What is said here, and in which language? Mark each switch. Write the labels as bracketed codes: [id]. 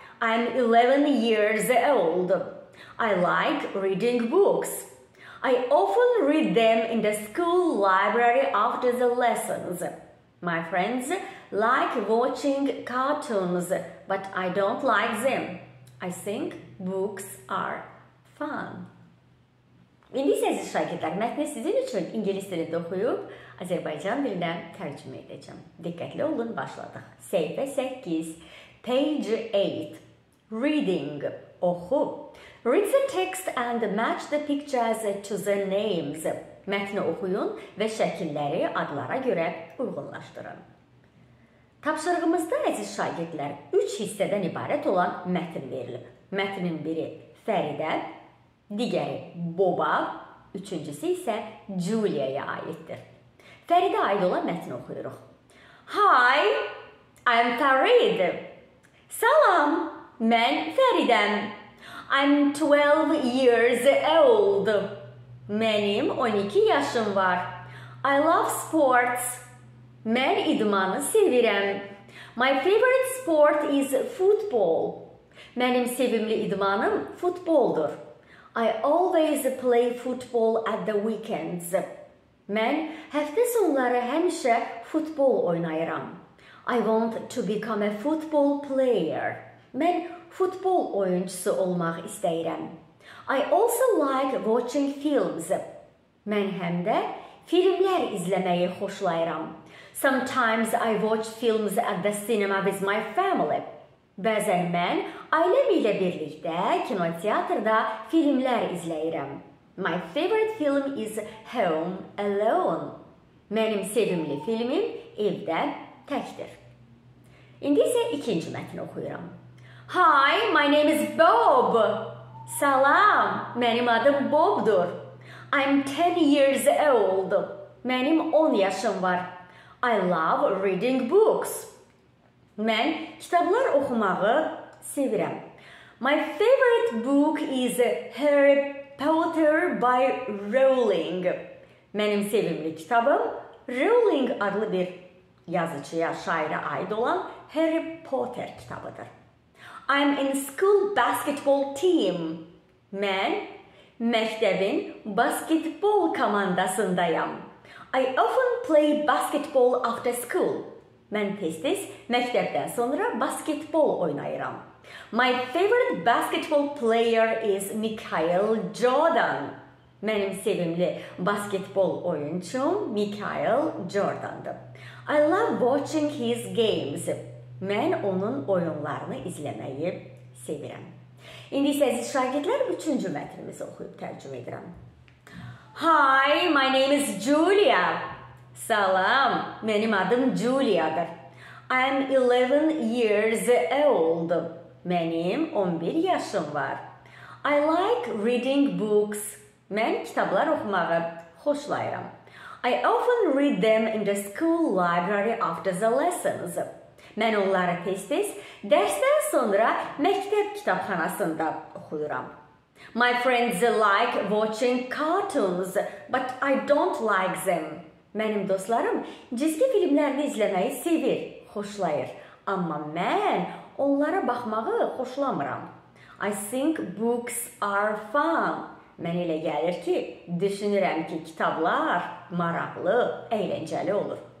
[en] I'm 11 years old. I like reading books. I often read them in the school library after the lessons. My friends like watching cartoons, but I don't like them. I think books are fun. [az] İndi səhifə şagirdlər, mətni sizin üçün ingilis dilində oxuyub, Azərbaycan dilində tərcümə edəcəm. Diqqətli olun, başladıq. Səhifə 8, page 8, reading, oxu. [en] Read the text and match the pictures to the names. [az] Mətni oxuyun və şəkilləri adlara görə uyğunlaşdırın. Tapşırığımızda əziz şagirdlər, 3 hissədən ibarət olan mətn verilib. Mətnin biri Fəridə, digəri Boba, üçüncüsü isə Julia'ya aiddir. Fəridə aid olan mətni oxuyuruq. [en] Hi, I'm Farid. [az] Salam, mən Fəridəm. [en] I'm 12 years old. [az] Mənim 12 yaşım var. [en] I love sports. [az] Mən idmanı sevirəm. [en] My favorite sport is football. [az] Mənim sevimli idmanım futboldur. [en] I always play football at the weekends. [az] Mən həftə sonları həmişə futbol oynayıram. [en] I want to become a football player. [az] Mən futbol oyuncusu olmaq istəyirəm. [en] I also like watching films. [az] Mən həm də filmlər izləməyi xoşlayıram. [en] Sometimes I watch films at the cinema with my family. [az] Bəzən mən ailəm ilə birlikdə kinoteatrda filmlər izləyirəm. [en] My favorite film is Home Alone. [az] Mənim sevimli filmim evdə təkdir. İndi isə ikinci mətni oxuyuram. [en] Hi, my name is Bob. [az] Salam, mənim adım Bobdur. [en] I'm 10 years old. [az] Mənim 10 yaşım var. [en] I love reading books. [az] Mən kitablar oxumağı sevirəm. [en] My favorite book is Harry Potter by Rowling. [az] Mənim sevimli kitabım Rowling adlı bir yazıçıya, şairə aid olan Harry Potter kitabıdır. [en] I'm in school basketball team. [az] Mən məktəbin basketbol komandasındayım. [en] I often play basketball after school. [az] Mən tez-tez məktəbdən sonra basketbol oynayıram. [en] My favorite basketball player is Michael Jordan. [az] Mənim sevimli basketbol oyuncum Michael Jordan'dır. [en] I love watching his games. [az] Mən onun oyunlarını izləməyi sevirəm. İndi isə əziz şagirdlər, üçüncü mətnimizi oxuyub tərcümə edirəm. [en] Hi, my name is Julia. [az] Salam, mənim adım Julia'dır. [en] I'm 11 years old. [az] Mənim 11 yaşım var. [en] I like reading books. [az] Mən kitablar oxumağı xoşlayıram. [en] I often read them in the school library after the lessons. [az] Mən onları tez-tez dərsdən sonra məktəb kitabxanasında oxuyuram. [en] My friends like watching cartoons, but I don't like them. [az] Mənim dostlarım cizgi filmlərini izləməyi sevir, xoşlayır. Amma mən onlara baxmağı xoşlamıram. [en] I think books are fun. [az] Mən elə gəlir ki, düşünürəm ki, kitablar maraqlı, eyləncəli olur.